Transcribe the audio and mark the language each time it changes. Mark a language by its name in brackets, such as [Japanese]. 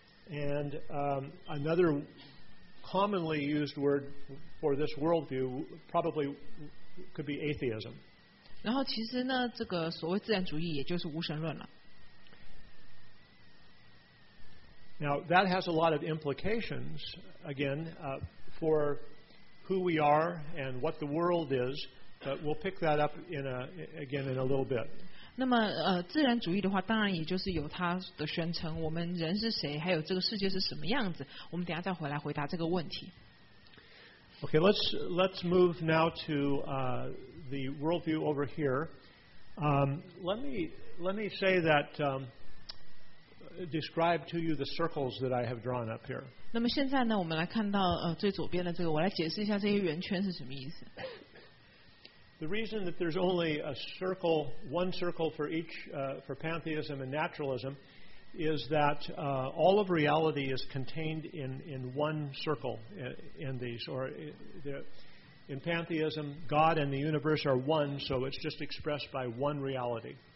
[English] And another commonly used word for this worldview probably could be atheism. [Chinese] 然后其实呢，这个所谓自然主义也就是无神论了。 [English] Now that has a lot of implications again for who we are and what the world is, but we'll pick that up in a little bit. [Chinese] 那么自然主义的话，当然也就是有它的宣称，我们人是谁，还有这个世界是什么样子，我们等一下再回来回答这个问题。 [English] Okay, let's move now to the worldview over here. Let me say that describe to you the circles that I have drawn up here. [Chinese] 那么现在呢，我们来看到最左边的这个，我来解释一下这些圆圈是什么意思。 [English] The reason that there's only a circle, one circle for each for pantheism and naturalism, is that all of reality is contained in one circle in these or there. In pantheism, God and the universe are one, so it's just expressed by one reality.